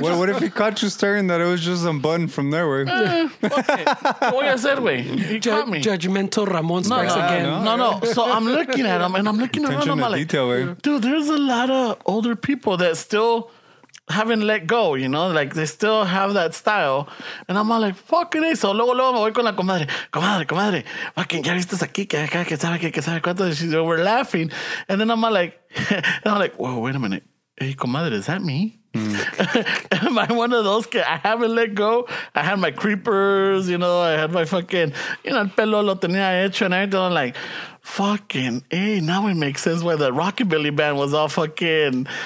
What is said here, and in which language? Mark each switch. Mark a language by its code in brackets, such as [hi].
[en] What if he caught you staring that it was just unbuttoned from there, güey? Okay. What [es] voy a hacer, [en] güey? He caught me. Judgmental Ramon strikes again. No. So I'm looking at him, and I'm looking attention around him. Attention to detail, like, dude, there's a lot of older people that still haven't let go, you know? Like, they still have that style. And I'm all like, fuck it. [es] So luego me voy con la comadre. Comadre, fucking, ya viste aquí, que sabe cuánto. [en] We're laughing. And then I'm like, whoa, wait a minute. Hey, comadre, is that me? Mm. Am I one of those [es] que [en] I haven't let go? I had my creepers, you know, I had my fucking, you know, [es] el pelo lo tenía hecho [en] and everything. I'm like, fucking, hey, now it makes sense why the Rockabilly band was all fucking...